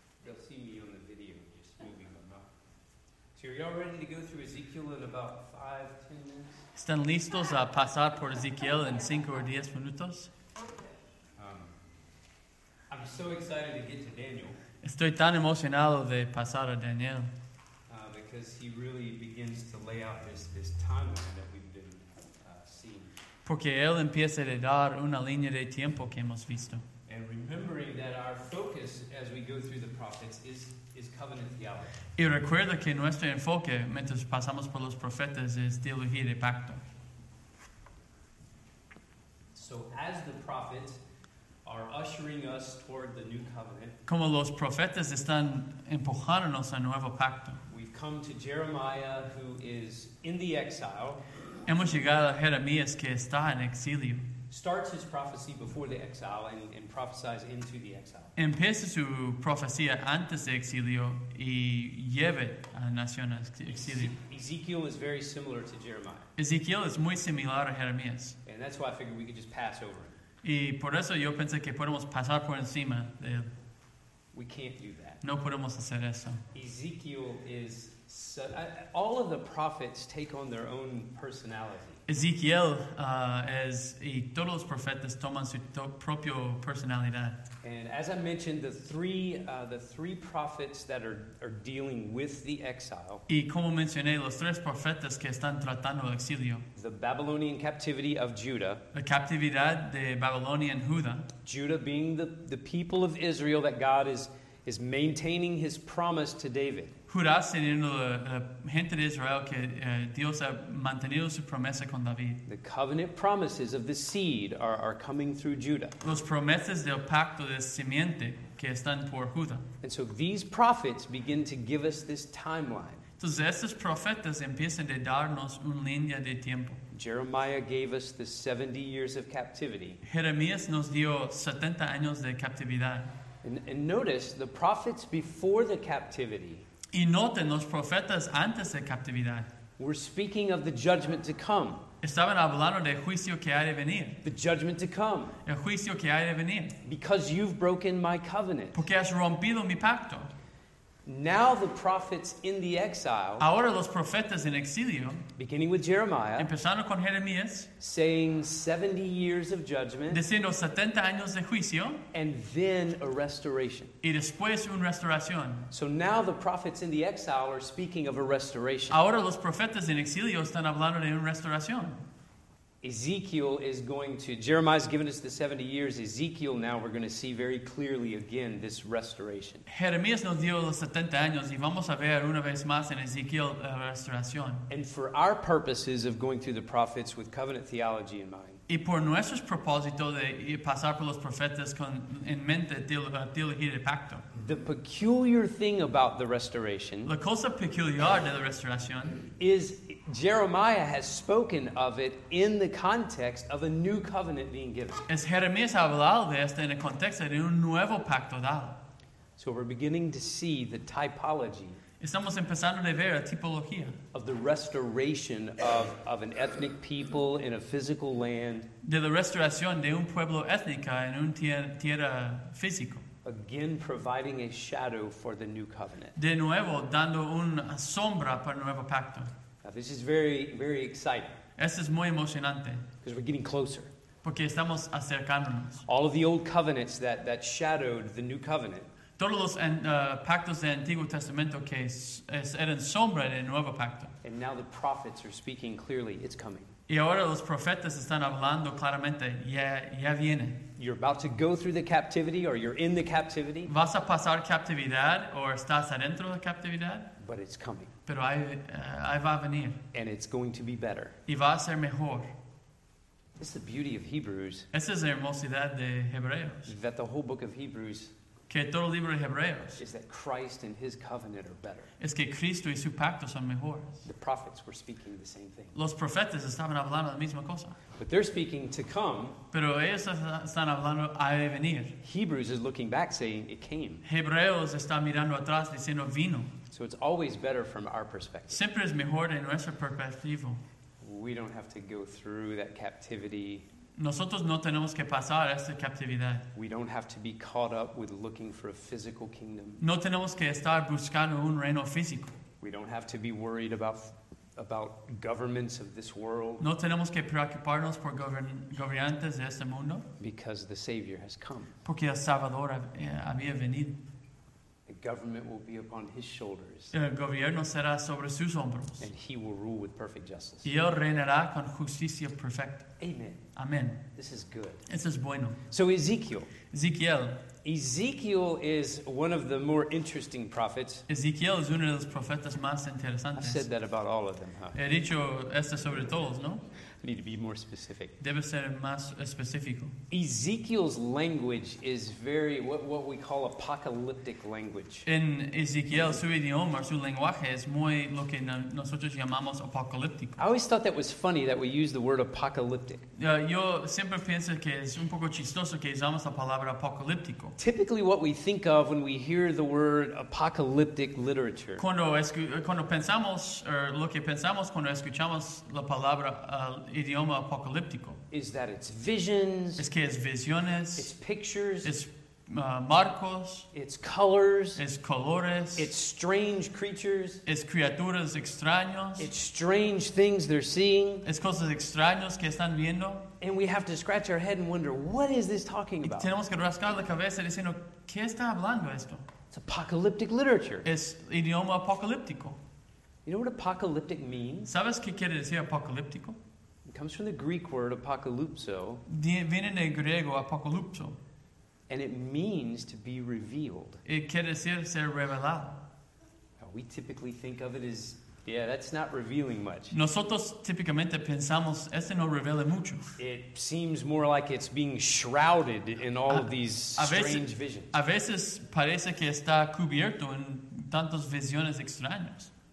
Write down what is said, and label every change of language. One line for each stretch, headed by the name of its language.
English: They'll see me on the video just moving my mouth. So are y'all ready to go through Ezekiel in about 5-10 minutes?
Spanish: ¿Están listos a pasar por Ezekiel en 5 o 10 minutos?
English: I'm so excited to get to Daniel.
Spanish: Estoy tan emocionado de pasar a Daniel.
English: Because he really begins to lay out this timeline that we've been seeing.
Spanish: Porque él empieza a dar una línea de tiempo que hemos visto.
English: And remembering that our focus as we go through the prophets is covenant theology.
Spanish: Y recuerda que nuestro enfoque mientras pasamos por los profetas es teología de pacto.
English: So as the prophets are ushering us toward the new covenant.
Spanish: Como los profetas están empujándonos al nuevo pacto.
English: We've come to Jeremiah, who is in the exile.
Spanish: Hemos llegado a Jeremías, que está en exilio.
English: Starts his prophecy before the exile and prophesies into the exile.
Spanish: Empieza su profecía antes de exilio y lleva a la nación a exilio.
English: Ezekiel is very similar to Jeremiah.
Spanish: Ezekiel es muy similar a Jeremías.
English: And that's why I figured we could just pass over it.
Spanish: Y por eso yo pensé que podemos pasar por encima de él.
English: We can't do that.
Spanish: No podemos hacer eso.
English: Ezekiel is... So, all of the prophets take on their own personality.
Spanish: Ezekiel es, y todos los profetas toman su propio personalidad.
English: And as I mentioned, the three prophets that are dealing with the exile.
Spanish: Y como mencioné, los tres profetas que están tratando el exilio.
English: The Babylonian captivity of Judah.
Spanish: La captividad de Babilonia en Judá.
English: Judah being the people of Israel that God is maintaining His promise to David.
Spanish: Judá siendo la gente de Israel que Dios ha mantenido su promesa con David.
English: The covenant promises of the seed are coming through Judah.
Spanish: Los promesas del pacto de simiente que están por Judá.
English: And so these prophets begin to give us this timeline.
Spanish: Entonces estos profetas empiezan a darnos una línea de tiempo.
English: Jeremiah gave us the 70 years of captivity.
Spanish: Jeremías nos dio 70 años de captividad.
English: And notice the prophets before the captivity.
Spanish: Y noten los profetas antes de captividad.
English: We're speaking of the judgment to come.
Spanish: Estaban hablando del juicio que ha de venir.
English: The judgment to come.
Spanish: El juicio que ha de venir.
English: Because you've broken my covenant.
Spanish: Porque has rompido mi pacto.
English: Now the prophets in the exile.
Spanish: Ahora los profetas en exilio.
English: Beginning with Jeremiah.
Spanish: Empezando con Jeremías.
English: Saying 70 years of judgment.
Spanish: Diciendo 70 años de juicio.
English: And then a restoration.
Spanish: Y después una restauración.
English: So now the prophets in the exile are speaking of a restoration.
Spanish: Ahora los profetas en exilio están hablando de una restauración.
English: Ezekiel is going to, Jeremiah's given us the 70 years. Ezekiel, now we're going to see very clearly again this restoration.
Spanish: Jeremías nos dio los 70 años y vamos a ver una vez más en Ezekiel la restauración.
English: And for our purposes of going through the prophets with covenant theology in mind.
Spanish: Y por nuestros propósitos de pasar por los profetas con en mente teología de pacto.
English: The peculiar thing about the restoration.
Spanish: La cosa peculiar de la restauración.
English: Is Jeremiah has spoken of it in the context of a new covenant being given.
Spanish: Es Jeremías ha hablado de esto en el contexto de un nuevo pacto dado.
English: So we're beginning to see the typology.
Spanish: Estamos empezando a ver la tipología.
English: Of the restoration of an ethnic people in a physical land.
Spanish: De la restauración de un pueblo étnica en un tierra físico.
English: A again providing a shadow for the new covenant.
Spanish: De nuevo, dando una sombra para el nuevo pacto.
English: Now, this is very, very exciting.
Spanish: Esto es muy emocionante.
English: Because we're getting closer.
Spanish: Porque estamos acercándonos.
English: All of the old covenants that shadowed the new covenant.
Spanish: Todos los pactos del Antiguo Testamento que eran sombra del nuevo pacto.
English: And now the prophets are speaking clearly, it's coming.
Spanish: Y ahora los profetas están hablando claramente, ya viene.
English: You're about to go through the captivity or you're in the captivity.
Spanish: Vas a pasar captividad o estás adentro de captividad.
English: But it's coming.
Spanish: Pero ahí va a venir.
English: And it's going to be better.
Spanish: Y va a ser mejor.
English: This is the beauty of Hebrews.
Spanish: Esa es la hermosidad de Hebreos.
English: That the whole book of Hebrews,
Spanish: que todo el libro de Hebreos,
English: is that Christ and his covenant are better.
Spanish: Es que Cristo y su pacto son mejores.
English: The prophets were speaking the same thing.
Spanish: Los profetas estaban hablando la misma cosa.
English: But they're speaking to come.
Spanish: Pero ellos están hablando a venir.
English: Hebrews is looking back saying it came.
Spanish: Hebreos está mirando atrás diciendo vino.
English: So it's always better from our perspective.
Spanish: Siempre es mejor de nuestra perspectiva.
English: We don't have to go through that captivity.
Spanish: Nosotros no tenemos que pasar esta captividad.
English: We don't have to be caught up with looking for a physical kingdom.
Spanish: No tenemos que estar buscando un reino físico.
English: We don't have to be worried about governments of this world.
Spanish: No tenemos que preocuparnos por gobernantes de este mundo.
English: Because the Savior has come.
Spanish: Porque el Salvador había venido.
English: The government will be upon his shoulders.
Spanish: El gobierno será sobre sus hombros.
English: And he will rule with perfect justice.
Spanish: Y él reinará con justicia perfecta.
English: Amen.
Spanish: Amen.
English: This is good.
Spanish: Esto es bueno.
English: So Ezekiel.
Spanish: Ezekiel.
English: Ezekiel is one of the more interesting prophets.
Spanish: Ezekiel es uno de los profetas más interesantes.
English: I said that about all of them, huh?
Spanish: He dicho esto sobre todos, ¿no?
English: I need to be more specific.
Spanish: Debe ser más específico.
English: Ezekiel's language is very, what we call apocalyptic language.
Spanish: En Ezekiel, su idioma, su lenguaje, es muy lo que nosotros llamamos apocalíptico.
English: I always thought that was funny that we use the word apocalyptic.
Spanish: Yo siempre pienso que es un poco chistoso que usamos la palabra apocalíptico.
English: Typically what we think of when we hear the word apocalyptic literature.
Spanish: Cuando pensamos, or lo que pensamos cuando escuchamos la palabra idioma apocalíptico.
English: Is that it's visions.
Spanish: Es que es visiones.
English: It's pictures.
Spanish: Es marcos.
English: It's colors.
Spanish: Es colores.
English: It's strange creatures.
Spanish: Es criaturas extrañas.
English: It's strange things they're seeing.
Spanish: Es cosas extrañas que están viendo.
English: And we have to scratch our head and wonder, what is this talking about?
Spanish: Y tenemos que rascar la cabeza diciendo, ¿qué está hablando esto?
English: It's apocalyptic literature.
Spanish: Es idioma apocalíptico.
English: You know what apocalyptic means?
Spanish: ¿Sabes qué quiere decir apocalíptico?
English: It comes from the Greek word apokalypso.
Spanish: Viene del griego apokalypso.
English: And it means to be revealed.
Spanish: Y quiere decir ser revelado.
English: Now, we typically think of it as, yeah, that's not revealing much.
Spanish: Nosotros típicamente pensamos, este no revela mucho.
English: It seems more like it's being shrouded in all of these strange visions.
Spanish: A veces parece que está cubierto en tantas visiones extrañas.